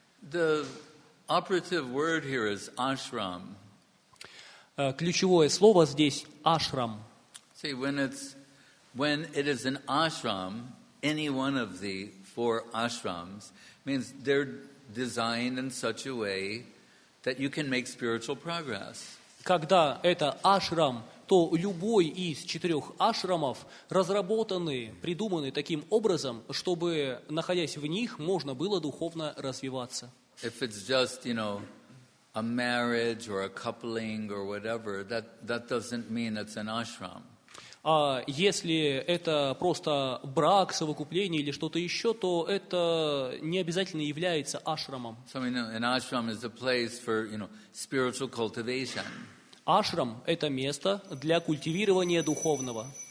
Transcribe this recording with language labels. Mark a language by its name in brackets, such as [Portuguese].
[English] The operative word here is ashram. [Russian] Ключевое слово здесь – ашрам. [English] See, when it is an ashram, any one of the four ashrams means they're designed in such a way that you can make spiritual progress. [Russian] Когда это ашрам, то любой из четырех ашрамов разработаны, придуманы таким образом, чтобы, находясь в них, можно было духовно развиваться. [English] If it's just, you know, a marriage or a coupling or whatever, that doesn't mean it's an ashram. [Russian] А если это просто брак, совокупление или что-то еще, то это не обязательно является ашрамом. [English] So, you know, an ashram is a place for, you know, spiritual cultivation. [Russian] Ашрам – это место для культивирования духовного.